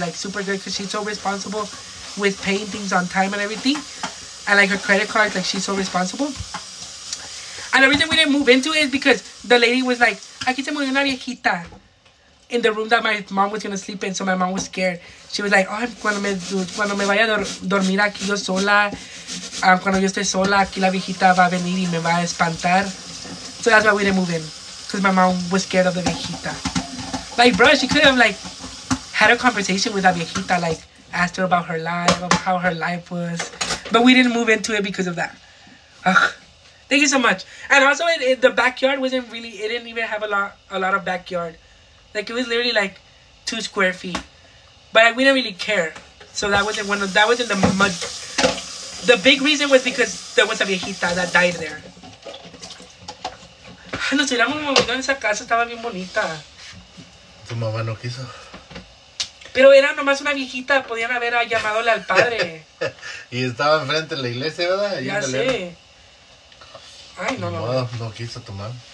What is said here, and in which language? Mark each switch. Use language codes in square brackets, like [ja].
[en] Because she's so responsible with paying things on time and everything. And, like, her credit card, like, she's so responsible. And the reason we didn't move into it is because the lady was like, [es] aquí se murió una viejita [en] in the room that my mom was going to sleep in, so my mom was scared. She was like, oh, [es] cuando me vaya a dormir aquí yo sola, cuando yo esté sola, aquí la viejita va a venir y me va a espantar. [en] So that's why we didn't move in, because my mom was scared of the viejita. Like, bro, she could have, like, had a conversation with la viejita, like, asked her about her life, about how her life was. But we didn't move into it because of that. Ugh. Thank you so much. And also, the backyard wasn't really, it didn't even have a lot of backyard. Like, it was literally like 2 square feet. But we didn't really care. So the big reason was because there was a viejita that died there. [es] Nos hubiéramos movido en esa casa, estaba bien bonita. Tu mamá no quiso. Pero era nomás una viejita, podían haber llamado al padre. Y estaba enfrente de la iglesia, ¿verdad? Allí ya sé. Ay, no. No quiso tomar.